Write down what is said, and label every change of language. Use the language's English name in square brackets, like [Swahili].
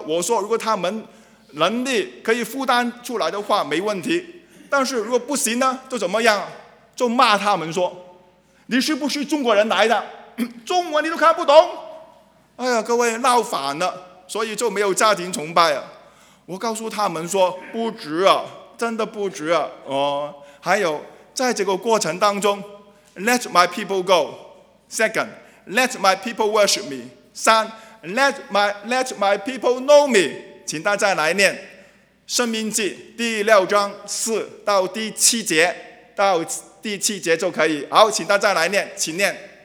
[Chinese] 我说如果他们能力可以负担出来的话没问题，但是如果不行呢，就怎么样？就骂他们说你是不是中国人来的，中文你都看不懂。哎呀，各位，闹反了，所以就没有家庭崇拜了。我告诉他们说不值啊，真的不值啊。还有在这个过程当中， [English] Let my people go， Second， Let my people worship me， [Chinese] 三， [English] Let my people know me。 [Chinese] 请大家来念生命记第六章四到第七节，到第七节就可以。好，请大家来念，请念。